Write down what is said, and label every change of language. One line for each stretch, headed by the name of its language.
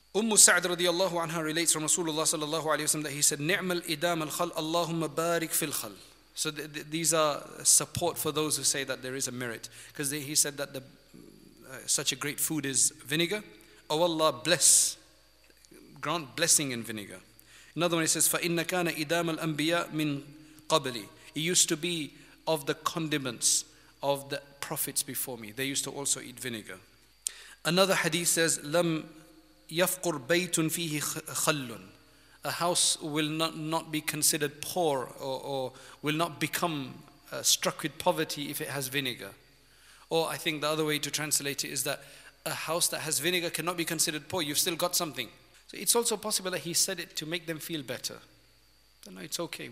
English: Ummu Sa'd radiallahu anha relates from Rasulullah Sallallahu Alaihi Wasallam that he said,
Arabic: نِعْمَ الْإِدَامَ الْخَلْ, اللَّهُمَّ بَارِكْ فِي الْخَلْ.
English: So these are support for those who say that there is a merit. Because he said that such a great food is vinegar. Oh Allah, bless. Grant blessing in vinegar. Another one, he says,
Arabic: فَإِنَّ كَانَ إِدَامَ الْأَنْبِيَاءِ مِنْ قَبْلِ.
English: It used to be of the condiments of the prophets before me. They used to also eat vinegar. Another hadith says,
Arabic: لَمْ يَفْقُرْ بَيْتٌ فِيهِ خَلٌّ.
English: A house will not be considered poor or will not become struck with poverty if it has vinegar. Or I think the other way to translate it is that a house that has vinegar cannot be considered poor. You've still got something. So it's also possible that he said it to make them feel better. Then it's okay.